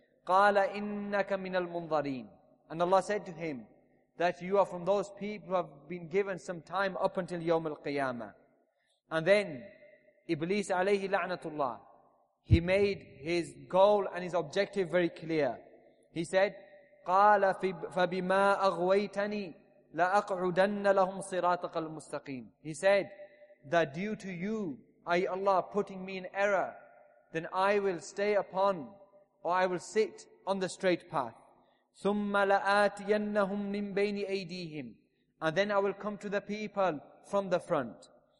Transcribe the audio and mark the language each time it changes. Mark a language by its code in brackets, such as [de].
[ar] قَالَ إِنَّكَ مِنَ الْمُنْظَرِينَ. [en] And Allah said to him that you are from those people who have been given some time up until Yawm al-Qiyamah. And then Iblis alayhi la'natullah, he made his goal and his objective very clear. He said, [ar] قَالَ فَبِمَا أَغْوَيْتَنِي لَأَقْعُدَنَّ لَهُمْ صِرَاطَكَ الْمُسْتَقِيمِ. [en] He said that due to you, i.e. Allah putting me in error, then I will stay upon, or I will sit on the straight path. [ar] ثُمَّ لَآتِيَنَّهُمْ مِنْ بَيْنِ أَيْدِيهِمْ. [en] And then I will come to the people from the front.